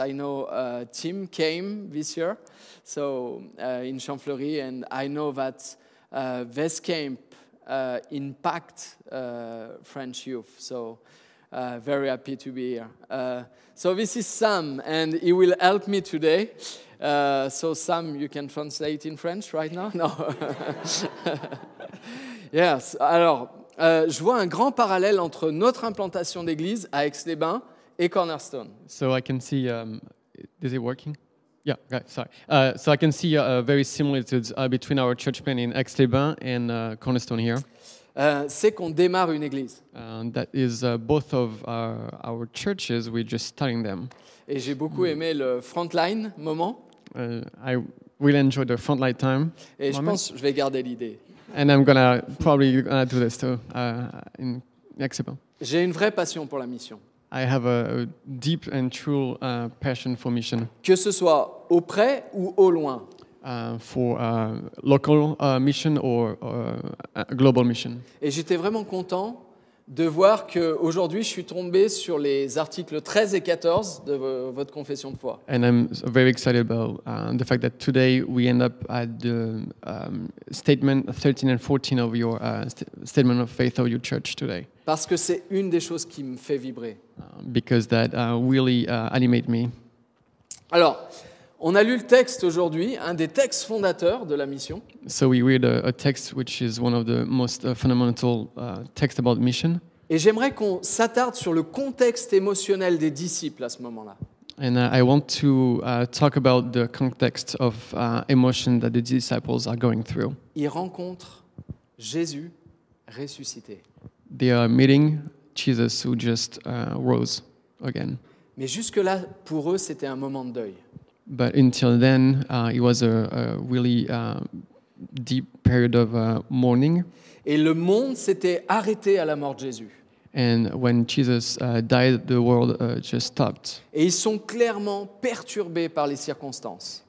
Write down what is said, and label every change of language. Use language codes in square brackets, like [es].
[en] I know Tim came this year, so in Champfleury, and I know that this camp impact French youth. So very happy to be here. So this is Sam, and he will help me today. So Sam, you can translate in French right now? No. Yes. [fr] Alors, je vois un grand parallèle entre notre implantation d'église à Aix-les-Bains et Cornerstone. [en] So I can see. Is it working? Yeah, right, sorry. So I can see a very similitudes between our church plant in Aix-les-Bains and Cornerstone here. [fr] C'est qu'on démarre une église. [en] That is both of our churches, we're just starting them. [fr] Et j'ai beaucoup aimé le frontline moment. [en] I really enjoyed the frontline time. [fr] Et je pense que je vais garder l'idée. [en] And I'm going to probably do this too in Aix-les-Bains. [fr] J'ai une vraie passion pour la mission. [en] I have a deep and true passion for mission. [fr] Que ce soit au près ou au loin. [en] For local mission or global mission. [fr] Et j'étais vraiment content de voir que aujourd'hui je suis tombé sur les articles 13 et 14 de votre confession de foi. [en] And I'm very excited about the fact that today we end up at the statement 13 and 14 of your statement of faith of your church today. [fr] Parce que c'est une des choses qui me fait vibrer. [en] Because that really animate me. [fr] Alors, on a lu le texte aujourd'hui, un des textes fondateurs de la mission. [en] So we read a text which is one of the most fundamental texts about mission. [fr] Et j'aimerais qu'on s'attarde sur le contexte émotionnel des disciples à ce moment-là. [en] And I want to talk about the context of emotion that the disciples are going through. [fr] Ils rencontrent Jésus ressuscité. [en] They are meeting Jesus who just rose again. [fr] Mais jusque-là, pour eux, c'était un moment de deuil. [en] But until then, it was a really deep period of mourning. [fr] Et le monde s'était arrêté à la mort de Jésus. [en] And when Jesus died, the world just stopped. [fr] Et ils sont clairement perturbés par les circonstances.